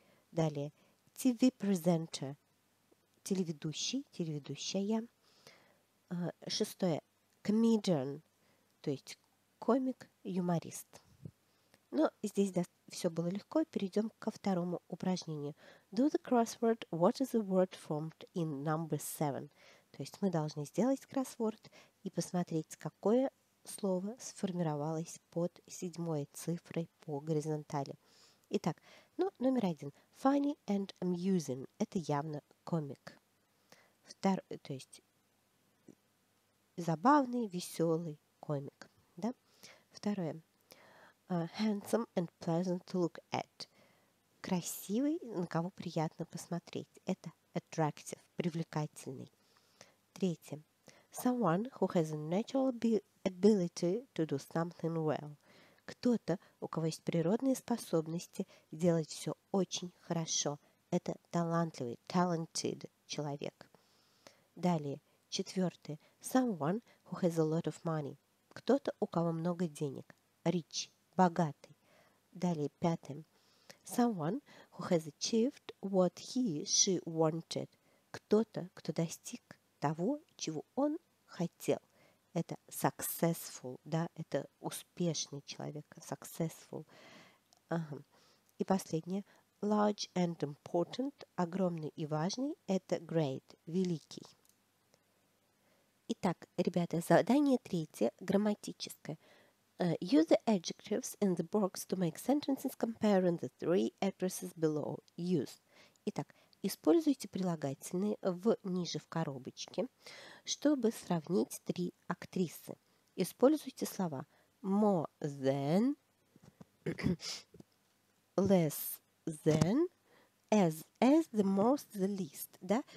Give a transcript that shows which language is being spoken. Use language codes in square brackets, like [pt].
[ru] Далее – TV presenter, телеведущий, телеведущая. Шестое, comedian, то есть комик, юморист. Но здесь все было легко, перейдем ко второму упражнению. [en] Do the crossword, what is the word formed in number seven? [ru] То есть мы должны сделать кроссворд и посмотреть, какое слово сформировалось под 7-й цифрой по горизонтали. Итак, ну, номер один. [en] Funny and amusing. [ru] Это явно комик. То есть забавный, веселый комик. Да? Второе. [en] Handsome and pleasant to look at. [ru] Красивый, на кого приятно посмотреть. Это attractive, привлекательный. Третье. [en] Someone who has a natural ability to do something well. [ru] Кто-то, у кого есть природные способности делать все очень хорошо. Это талантливый, talented человек. Далее, четвертое. [en] Someone who has a lot of money. [ru] Кто-то, у кого много денег. Rich, богатый. Далее, пятое. [en] Someone who has achieved what he, she wanted. [ru] Кто-то, кто достиг того, чего он хотел. Это successful, да, это успешный человек, successful. Ага. И последнее, [en] large and important, [ru] огромный и важный, это great, великий. Итак, ребята, задание третье, грамматическое. [en] Use the adjectives in the box to make sentences comparing the three addresses below. Use. [ru] Итак, используйте прилагательные ниже в коробочке, чтобы сравнить три актрисы. Используйте слова [en] more than, less than, as the most, the least. [ru] Да?